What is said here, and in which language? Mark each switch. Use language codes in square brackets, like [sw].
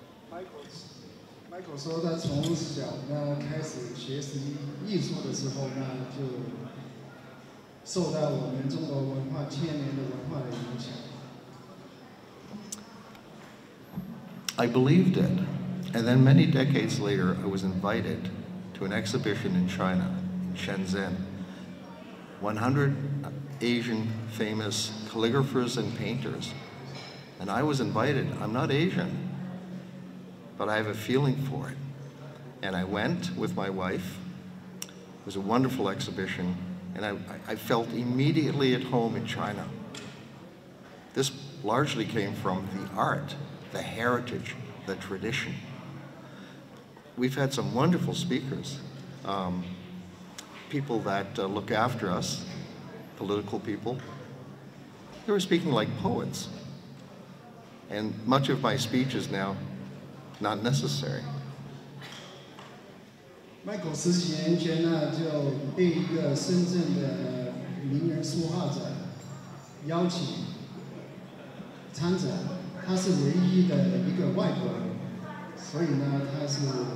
[zh] Michael 说他从小呢开始学习艺术的时候呢，就受到我们中国文化千年的文化的影响。 [en] I believed it. And then many decades later, I was invited to an exhibition in China, in Shenzhen. 100 Asian famous calligraphers and painters. And I was invited. I'm not Asian, but I have a feeling for it. And I went with my wife. It was a wonderful exhibition. And I felt immediately at home in China. This largely came from the art, the heritage, the tradition. We've had some wonderful speakers, people that look after us, political people. They were speaking like poets. And much of my speech is now not necessary. [zh] Michael 十几年前呢，就被一个深圳的名人书画者邀请参展，他是唯一的一个外国人，所以呢，他是